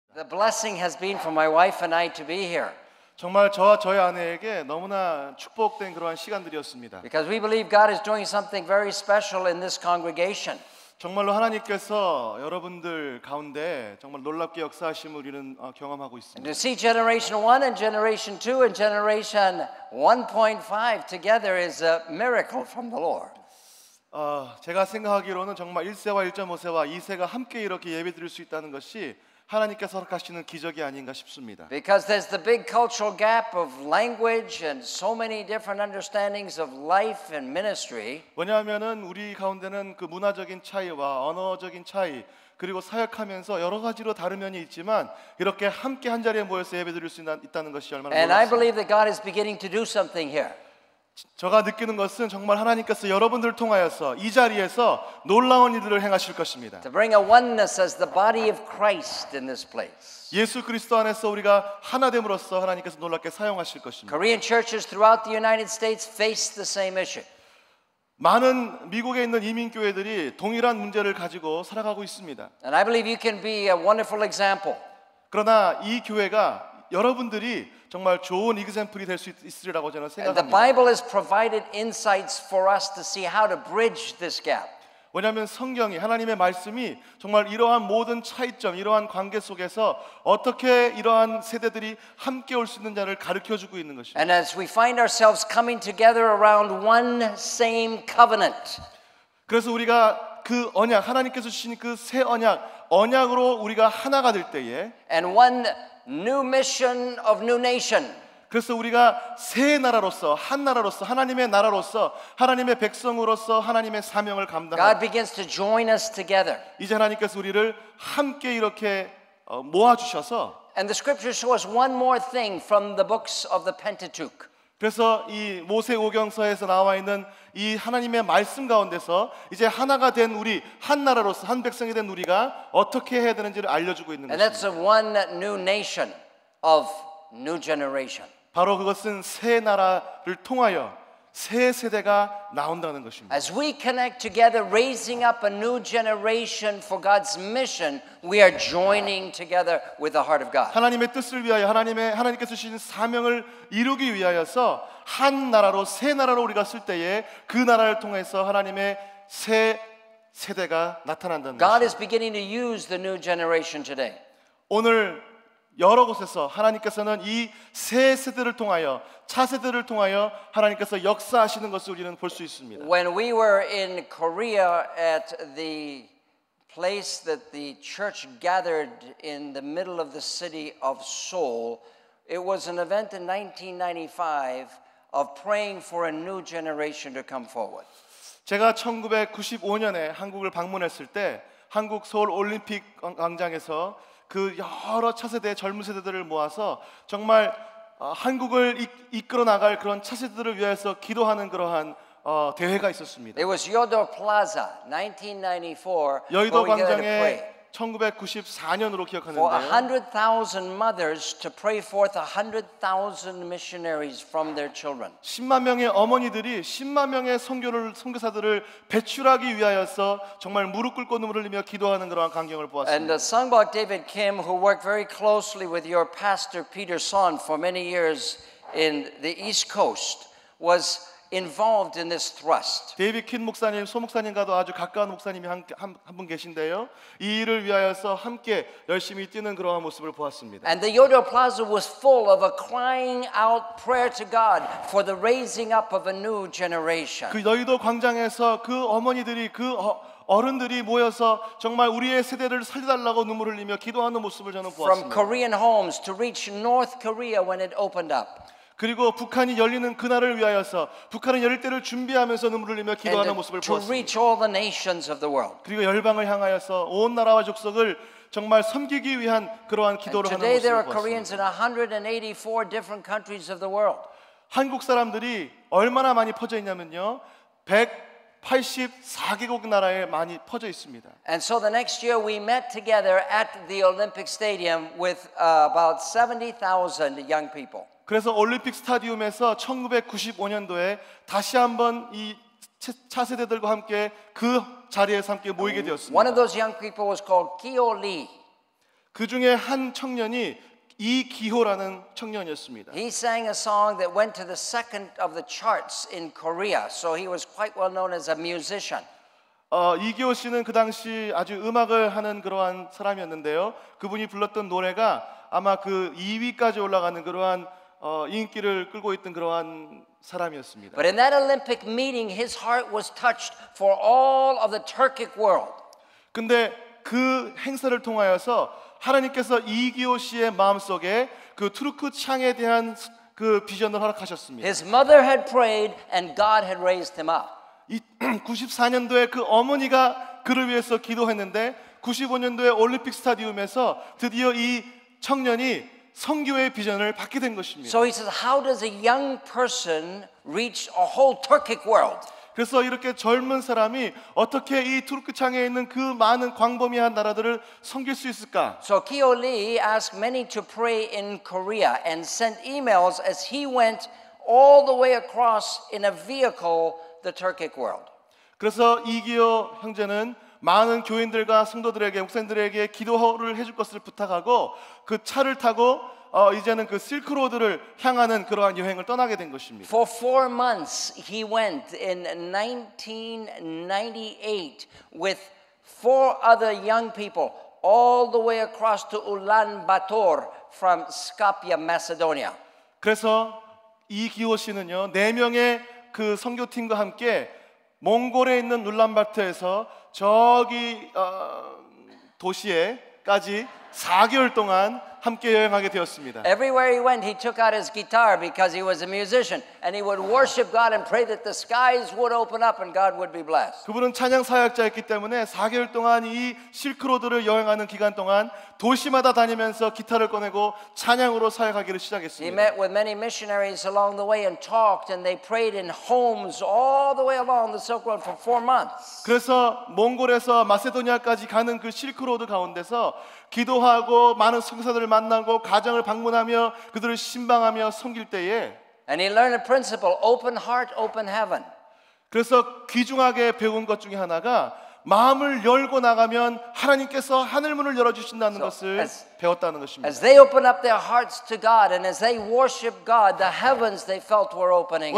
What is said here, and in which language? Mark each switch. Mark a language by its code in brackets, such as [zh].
[en] The blessing has been for my wife and I to be here. [ko] 정말 저와 저희 아내에게 너무나 축복된 그러한 시간들이었습니다. [en] Because we believe God is doing something very special in this congregation. [ko] 정말로 하나님께서 여러분들 가운데 정말 놀랍게 역사하심을 우리는 경험하고 있습니다. [en] And to see generation 1 and generation 2 and generation 1.5 together is a miracle from the Lord. [ko] 제가 생각하기로는 정말 1세와 1.5세와 2세가 함께 이렇게 예배드릴 수 있다는 것이 하나님께서 허락하시는 기적이 아닌가 싶습니다. [en] Because there's the big cultural gap of language and so many different understandings of life and ministry. [ko] 왜냐하면은 우리 가운데는 그 문화적인 차이와 언어적인 차이 그리고 사역하면서 여러 가지로 다른 면이 있지만 이렇게 함께 한 자리에 모여서 예배드릴 수 있다는 것이 얼마나 놀랍습니다. [en] And I believe that God is beginning to do something here. [ko] 제가 느끼는 것은 정말 하나님께서 여러분들을 통하여서 이 자리에서 놀라운 일들을 행하실 것입니다. [en] To bring a oneness as the body of Christ in this place. [ko] 예수 그리스도 안에서 우리가 하나 됨으로써 하나님께서 놀랍게 사용하실 것입니다. [en] Korean churches throughout the United States face the same issue. [ko] 많은 미국에 있는 이민 교회들이 동일한 문제를 가지고 살아가고 있습니다. [en] And I believe you can be a wonderful example. [ko] 그러나 이 교회가 여러분들이 정말 좋은 example이 될 수 있으리라고 저는 생각합니다. [en] And the Bible has provided insights for us to see how to bridge this gap. [ko] 왜냐하면 성경이 하나님의 말씀이 정말 이러한 모든 차이점, 이러한 관계 속에서 어떻게 이러한 세대들이 함께 올 수 있는지를 가르쳐 주고 있는 것입니다. [en] And as we find ourselves coming together around one same covenant. [ko] 그래서 우리가 그 언약, 하나님께서 주신 그 새 언약, 언약으로 우리가 하나가 될 때에 [en] And one New mission of new nation. [ko] 그래서 우리가 새 나라로서 한 나라로서 하나님의 나라로서 하나님의 백성으로서 하나님의 사명을 감당. [en] God begins to join us together. [ko] 이제 하나님께서 우리를 함께 이렇게 모아 주셔서. [en] And the scripture shows one more thing from the books of the Pentateuch. [ko] 그래서 이 모세오경서에서 나와 있는 이 하나님의 말씀 가운데서 이제 하나가 된 우리 한 나라로서 한 백성이 된 우리가 어떻게 해야 되는지를 알려주고 있는 [en] And That's one new nation of new generation. [ko] 바로 그것은 새 나라를 통하여 새 세대가 나온다는 것입니다. [en] As we connect together raising up a new generation for God's mission, we are joining together with the heart of God. [ko] 하나님의 뜻을 위하여 하나님께서 주신 사명을 이루기 위하여서 한 나라로 새 나라로 우리가 쓸 때에 그 나라를 통해서 하나님의 새 세대가 나타난다는 것입니다. [en] God is beginning to use the new generation today. [ko] 오늘 여러 곳에서 하나님께서는 이 새 세대를 통하여 차세대를 통하여 하나님께서 역사하시는 것을 우리는 볼 수 있습니다. [en] When we were in Korea at the place that the church gathered in the middle of the city of Seoul, it was an event in 1995 of praying for a new generation to come forward. [ko] 제가 1995년에 한국을 방문했을 때 한국 서울 올림픽 광장에서 그 여러 차세대의 젊은 세대들을 모아서 정말 한국을 이끌어 나갈 그런 차세대들을 위해서 기도하는 그러한 대회가 있었습니다. [en] It was Yeouido Plaza, 1994. [ko] 여의도 광장에 1994년으로 기억하는데요. [en] For 100,000 mothers to pray forth 100,000 missionaries from their children. [ko] 10만 명의 어머니들이 10만 명의 선교사들을 배출하기 위하여서 정말 무릎 꿇고 눈물 흘리며 기도하는 그러한 광경을 보았습니다. [en] And Sungbak David Kim, who worked very closely with your pastor Peter Son for many years in the East Coast, was involved in this thrust. [ko] 데이비 킨 목사님, 소 목사님과도 아주 가까운 목사님이 한 분 계신데요. 이 일을 위하여서 함께 열심히 뛰는 그러한 모습을 보았습니다. [en] And the Yeouido Plaza was full of a crying out prayer to God for the raising up of a new generation. [ko] 그 여의도 광장에서 그 어머니들이 그 어른들이 모여서 정말 우리의 세대를 살려달라고 눈물 흘리며 기도하는 모습을 저는 보았습니다. [en] From Korean homes to reach North Korea when it opened up. [ko] 그리고 북한이 열리는 그날을 위하여서 북한이 열릴 때를 준비하면서 눈물을 흘리며 기도하는 모습을 보았습니다. 그리고 열방을 향하여서 온 나라와 족속을 정말 섬기기 위한 그러한 기도를 하는 모습을 보았습니다. [en] Today there are Koreans in 184 different countries of the world. [ko] 한국 사람들이 얼마나 많이 퍼져 있냐면요. 184개국 나라에 많이 퍼져 있습니다. [en] And so the next year we met together at the Olympic Stadium with about 70,000 young people. [ko] 그래서 올림픽 스타디움에서 1995년도에 다시 한번 이 차세대들과 함께 그 자리에서 함께 모이게 되었습니다. [en] One of those young people was called Kyo Lee. [ko] 그 중에 한 청년이 이기호라는 청년이었습니다. [en] He sang a song that went to the second of the charts in Korea. So he was quite well known as a musician. [ko] 이기호 씨는 그 당시 아주 음악을 하는 그러한 사람이었는데요. 그분이 불렀던 노래가 아마 그 2위까지 올라가는 그러한 인기를 끌고 있던 그러한 사람이었습니다. [en] But in that Olympic meeting, his heart was touched for all of the Turkic world. [ko] 근데 그 행사를 통하여서 하나님께서 이기호 씨의 마음속에 그 투르크 창에 대한 그 비전을 허락하셨습니다. [en] His mother had prayed and God had raised him up. [ko] 94년도에 그 어머니가 그를 위해서 기도했는데 95년도에 올림픽 스타디움에서 드디어 이 청년이 선교의 비전을 받게 된 것입니다. [en] So he says, how does a young person reach a whole Turkic world? [ko] 그래서 이렇게 젊은 사람이 어떻게 이 투르크 창에 있는 그 많은 광범위한 나라들을 섬길 수 있을까? [en] So Kyo Lee asked many to pray in Korea and sent emails as he went all the way across in a vehicle the Turkic world. [ko] 그래서 이기호 형제는 많은 교인들과 성도들에게 목사님들에게 기도를 해줄 것을 부탁하고 그 차를 타고 이제는 그 실크로드를 향하는 그러한 여행을 떠나게 된 것입니다. [en] For 4 months he went in 1998 with 4 other young people all the way across to Ulaanbaatar from Skopje, Macedonia. [ko] 그래서 이기호 씨는요, 네 명의 그 선교팀과 함께 몽골에 있는 울란바토르에서 저기 도시에까지 4개월 동안 함께 여행하게 되었습니다. [en] Everywhere he went, he took out his guitar because he was a musician, and he would worship God and pray that the skies would open up and God would be blessed. [ko] 그분은 찬양 사역자였기 때문에 4개월 동안 이 실크로드를 여행하는 기간 동안 도시마다 다니면서 기타를 꺼내고 찬양으로 사역하기를 시작했습니다. [en] He met with many missionaries along the way and talked, and they prayed in homes all the way along the Silk Road for 4 months. [ko] 그래서 몽골에서 마세도니아까지 가는 그 실크로드 가운데서 기도하고 많은 성사들을 만나고 가정을 방문하며 그들을 신방하며 섬길 때에 [en] And he learned a principle, open heart, open heaven. [ko] 그래서 귀중하게 배운 것 중에 하나가 마음을 열고 나가면 하나님께서 하늘문을 열어주신다는 것을 배웠다는 것입니다. [en] As they opened up their hearts to God and as they worshiped God, the heavens they felt were opening up.